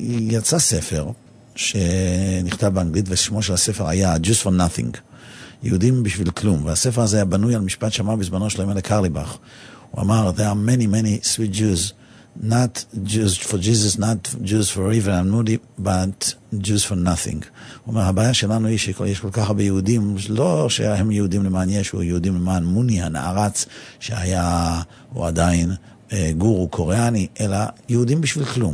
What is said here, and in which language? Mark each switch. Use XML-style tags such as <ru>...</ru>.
<he>ויצא ספר שנכתב באנגלית, ושמו של הספר היה Just for Nothing, יהודים בשביל כלום. והספר הזה היה בנוי על משפט שאמר בזמנו של המלך קרליבך. הוא אמר,</he> <en>there are many many sweet Jews, not Jews for Jesus, not Jews for evil and moody, but Jews for nothing.</en> <he>הוא אומר, הבעיה שלנו היא שיש כל כך הרבה יהודים, לא שהם יהודים למען ישו, יהודים למען מוני הנערץ שהיה או עדיין גורו קוריאני, אלא יהודים בשביל כלום.</he>